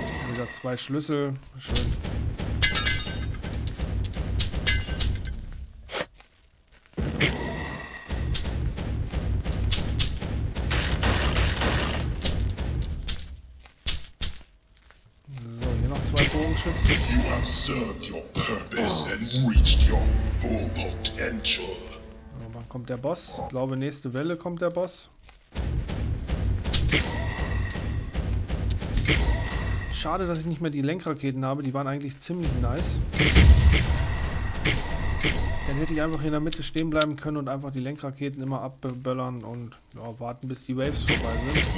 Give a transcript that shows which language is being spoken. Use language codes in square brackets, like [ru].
[de] Wieder zwei Schlüssel. Schön. So, hier noch zwei Bogenschützen. [en] You have served your purpose and reached your full potential. [de] Kommt der Boss. Ich glaube, nächste Welle kommt der Boss. Schade, dass ich nicht mehr die Lenkraketen habe. Die waren eigentlich ziemlich nice. Dann hätte ich einfach in der Mitte stehen bleiben können und einfach die Lenkraketen immer abböllern und ja, warten, bis die Waves vorbei sind.